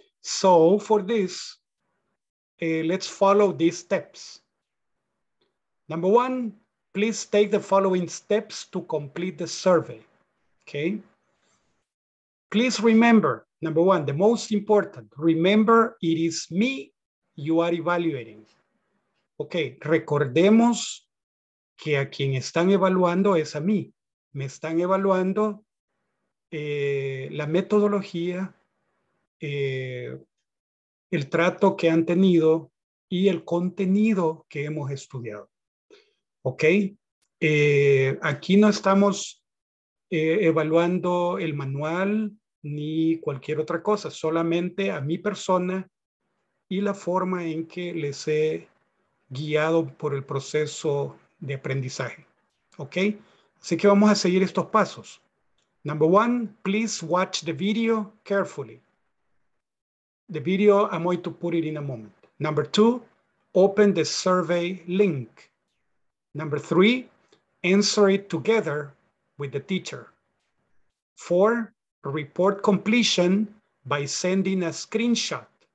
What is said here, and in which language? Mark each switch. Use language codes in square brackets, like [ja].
[en] So for this, let's follow these steps. Number one, please take the following steps to complete the survey, okay? please remember, number one, the most important, remember it is me you are evaluating. [es] Okay, recordemos que a quien están evaluando es a mí. Me están evaluando la metodología, el trato que han tenido y el contenido que hemos estudiado. Okay, aquí no estamos evaluando el manual ni cualquier otra cosa, solamente a mi persona y la forma en que les he guiado por el proceso de aprendizaje. Okay, así que vamos a seguir estos pasos. [en] Number one, please watch the video carefully. The video, I'm going to put it in a moment. Number two, open the survey link. Number three, answer it together with the teacher. Four, report completion by sending a screenshot.